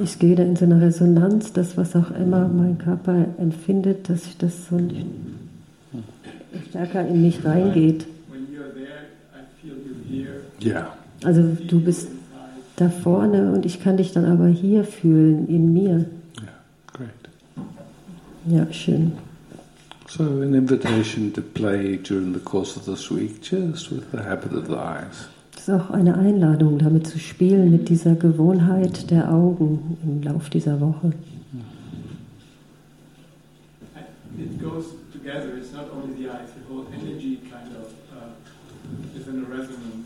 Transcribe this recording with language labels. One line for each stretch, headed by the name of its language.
German: Ich gehe da in so eine Resonanz, das, was auch immer mein Körper empfindet, dass ich das so stärker in mich reingeht. Also du bist da vorne und ich kann dich dann aber hier fühlen, in mir.
English: Yeah, great.
German: Ja, schön.
English: So, an invitation to play during the course of this week, just with the habit of the eyes.
German: Das ist auch eine Einladung, damit zu spielen, mit dieser Gewohnheit der Augen im Lauf dieser Woche.
English: It goes together, it's not only the eyes, the whole energy kind of is in a resonance.